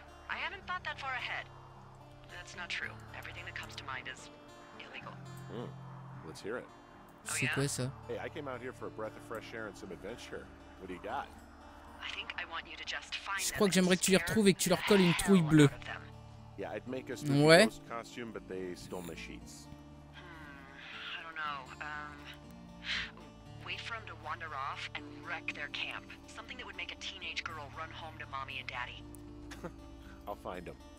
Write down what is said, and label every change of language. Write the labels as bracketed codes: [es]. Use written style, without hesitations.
[en] I haven't thought that far ahead. That's not true. Everything that comes to mind is illegal. Let's hear it. [fr] C'est quoi ça? [en] Hey, I came out here for a breath of fresh air and some adventure. What do you got? I think I want you to just find them. [fr] Je crois que j'aimerais que tu les retrouves et que tu leur colles une trouille bleue. [en] Yeah, I'd make a strange costume, but they stole my sheets. I don't know. Wait for them to wander off and wreck their camp. Something that would make a teenage girl run home to mommy and daddy. I'll find them.